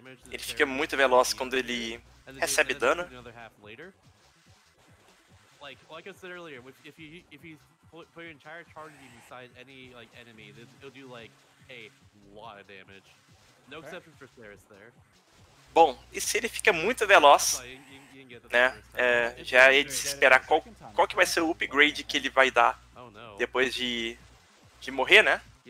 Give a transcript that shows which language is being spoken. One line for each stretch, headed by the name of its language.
Portuguese: Ele fica muito veloz quando ele recebe dano.
English: Like I said earlier, if you put your entire charge inside any like enemy, it'll do like a lot of damage. No exception for Ceres there.
Portuguese: Bom, e se ele fica muito veloz, né, já é de se esperar qual que vai ser o upgrade que ele vai dar depois de morrer, né?